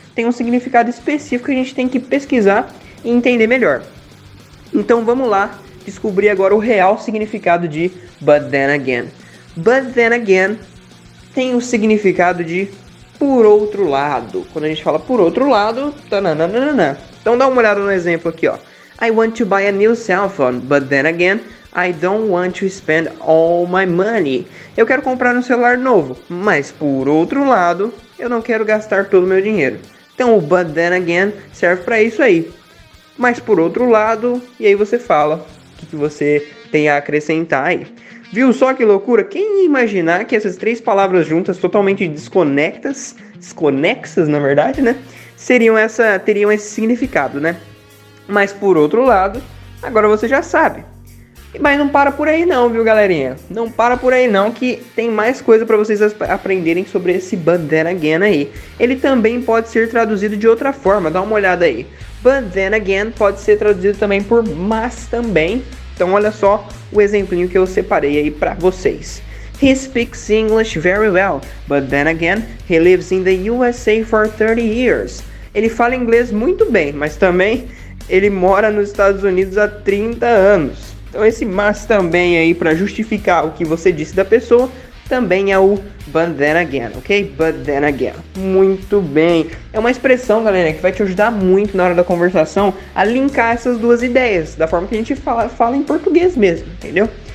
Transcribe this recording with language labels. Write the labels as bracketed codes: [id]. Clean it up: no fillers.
[pt] Tem um significado específico que a gente tem que pesquisar e entender melhor. Então vamos lá descobrir agora o real significado de but then again. But then again tem o significado de por outro lado. Quando a gente fala por outro lado, tananana. Então dá uma olhada no exemplo aqui, ó. [en] I want to buy a new cell phone, but then again, I don't want to spend all my money. [pt] Eu quero comprar um celular novo, mas por outro lado, eu não quero gastar todo o meu dinheiro. Então o but then again serve para isso aí. Mas por outro lado, e aí você fala o que você tem a acrescentar aí. Viu só que loucura? Quem ia imaginar que essas três palavras juntas, totalmente desconexas, na verdade, né? Teriam esse significado, né? Mas por outro lado, agora você já sabe. Mas não para por aí não, viu, galerinha? Não para por aí não, que tem mais coisa para vocês aprenderem sobre esse But Then Again aí. Ele também pode ser traduzido de outra forma, dá uma olhada aí. But Then Again pode ser traduzido também por mas também. Então olha só o exemplinho que eu separei aí para vocês. [en] He speaks English very well, but then again, he lives in the USA for 30 years. [pt] Ele fala inglês muito bem, mas também ele mora nos Estados Unidos há 30 anos. Então esse mas também aí para justificar o que você disse da pessoa, também é o but then again, ok? But then again. Muito bem. É uma expressão, galera, que vai te ajudar muito na hora da conversação a linkar essas duas ideias, da forma que a gente fala em português mesmo, entendeu?